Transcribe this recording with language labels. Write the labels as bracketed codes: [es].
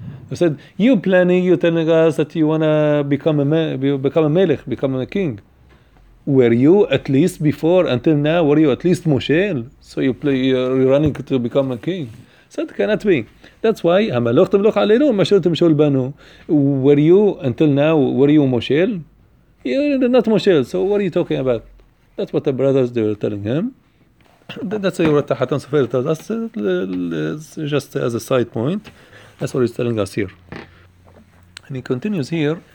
[en] He said, you planning, you telling us that you want to become a melech, become a king. Were you at least before, until now, were you at least Moshel? So you're running to become a king. He said, cannot be. That's why, [he] המלוך תמלוך עלינו, משל תמשול בנו. [en] Were you, until now, were you Moshel? You're not Moshel, so what are you talking about? That's what the brothers they were telling him. That's why you're at the Hatan Sofer. That's just as a side point. That's what he's telling us here. And he continues here.